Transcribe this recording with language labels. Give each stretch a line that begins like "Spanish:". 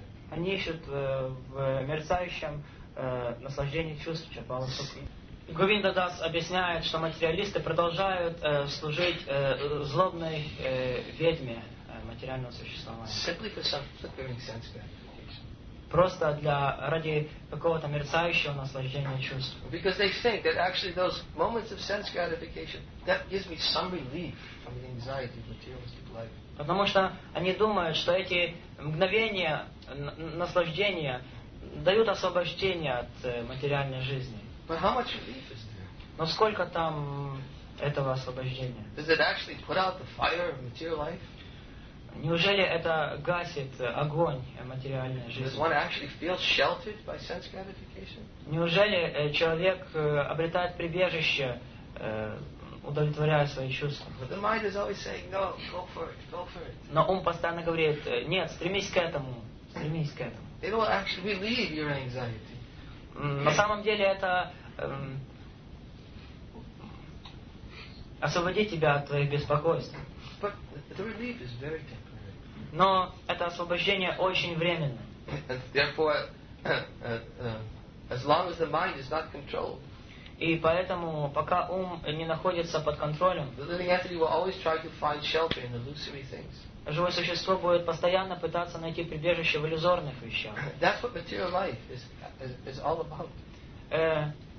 Russian: Они ищут в мерцающем наслаждении чувств чапаласукхи. Говинда Дас объясняет, что материалисты продолжают служить злобной ведьме материального существования.
English: Simply for some flickering sense gratification.
Russian: Просто для ради какого-то мерцающего наслаждения чувств.
English: Because they think that actually those moments of sense gratification that gives me some relief from the anxiety of materialistic life.
Russian: Потому что они думают, что эти мгновения наслаждения дают освобождение от материальной жизни.
English: But how much relief is there?
Russian: Но сколько там этого освобождения?
English: Does it actually put out the fire of material life?
Russian: Неужели это гасит огонь материальной жизни?
English: Does one actually feel sheltered by sense gratification?
Russian: Неужели человек обретает прибежище, удовлетворяя свои чувства?
English: But the mind is always saying, no, go for it, go for it.
Russian: Но ум постоянно говорит, нет, стремись к этому, стремись к этому.
English: It will actually relieve your anxiety.
Russian: На самом деле это освободит тебя от твоих беспокойств.
English: But the relief is very temporary.
Russian: Но это освобождение очень временно.
English: Therefore, as long as the mind is not controlled.
Russian: И поэтому, пока ум не находится под контролем,
English: the living entity will always try to find shelter in illusory things.
Russian: Живое существо будет постоянно пытаться найти прибежище в иллюзорных вещах.
English: That's what material life is all about.